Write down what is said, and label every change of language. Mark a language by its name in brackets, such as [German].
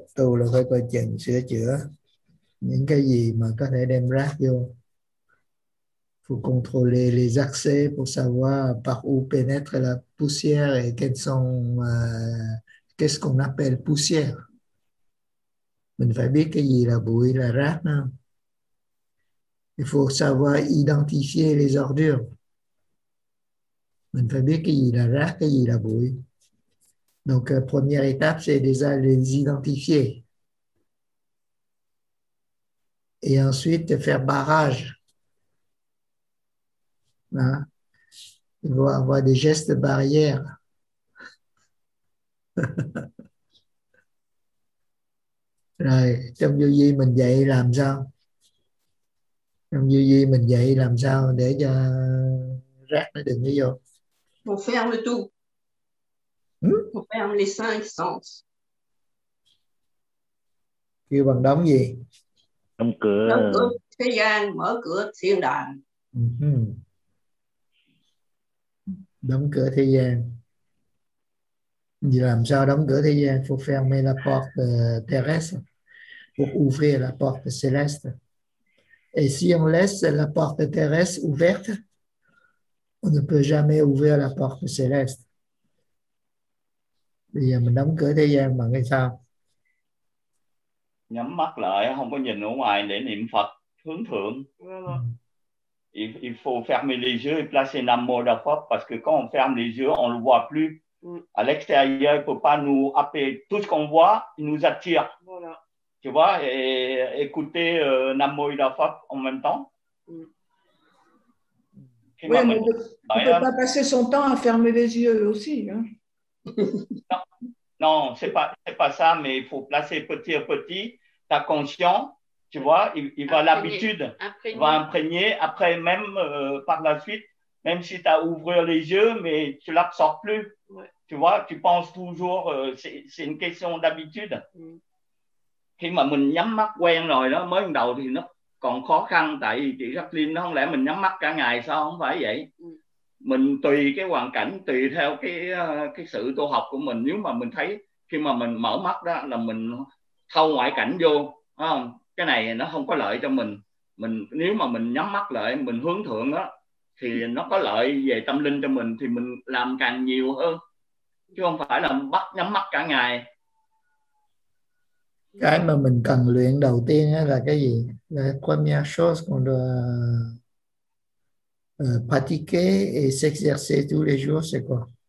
[Vietnamese] Tu là phải coi chừng sửa chữa những cái gì mà có thể đem rác vô. [French] Faut contrôler les accès pour savoir par où pénètre la poussière et qu'est-ce qu'on appelle poussière. [Vietnamese] Mình phải biết cái gì là bụi, là rác. [French] Non? Il faut savoir identifier les ordures. [Vietnamese] Mình phải biết cái gì là rác, cái gì là bụi. [French] Donc, première étape, c'est déjà les identifier. Et ensuite, faire barrage. Hein? Il faut avoir des gestes barrières. [Vietnamese] Rồi, trong vô vi mình dạy làm sao? Trong vô vi mình dạy làm sao để cho rác nó đừng đi vô? [French] On ferme tout. On ferme les cinq sens. [Vietnamese] Kêu bằng đóng gì? Đóng cửa thế gian, mở cửa thiên đàng. Đóng cửa thế gian. Vì làm sao đóng cửa thế gian? [French] Faut fermer la porte terrestre pour ouvrir la porte céleste. Et si on laisse la porte terrestre ouverte, on ne peut jamais ouvrir la porte céleste. [Vietnamese] Bây giờ mình đóng cửa thế gian bằng cái sao? Nhắm mắt lại, không có nhìn ở ngoài để niệm Phật hướng thượng. [French] Il faut fermer les yeux et placer Namo Da Phat parce que quand on ferme les yeux, on ne le voit plus. À l'extérieur, il ne peut pas nous happer. Tout ce qu'on voit, il nous attire. Voilà. Tu vois, et écouter Namo Da Phat en même temps. Oui, mais on ne peut pas passer son temps à fermer les yeux aussi. Hein. Non, ce n'est pas, c'est pas ça, mais il faut placer petit à petit ta conscience, tu vois, il va l'habitude, il va imprégner. Après, même par la suite, même si tu as ouvert les yeux, mais tu ne l'absorbes plus. Ouais. Tu vois, tu penses toujours, c'est une question d'habitude. [Vietnamese] Khi mà mình nhắm mắt quen rồi đó, mới đầu thì nó còn khó khăn, tại vì chị Jacqueline, không lẽ mình nhắm mắt cả ngày sao, không phải vậy. Mình tùy cái hoàn cảnh, tùy theo cái sự tu học của mình. Nếu mà mình thấy khi mà mình mở mắt đó là mình thâu ngoại cảnh vô, không? Cái này nó không có lợi cho mình. Mình nếu mà mình nhắm mắt lại, mình hướng thượng đó, thì nó có lợi về tâm linh cho mình, thì mình làm càng nhiều hơn, chứ không phải là bắt nhắm mắt cả ngày. Cái mà mình cần luyện đầu tiên là cái gì? [French] La première chose qu'on doit pratiquer et s'exercer tous les jours, c'est quoi?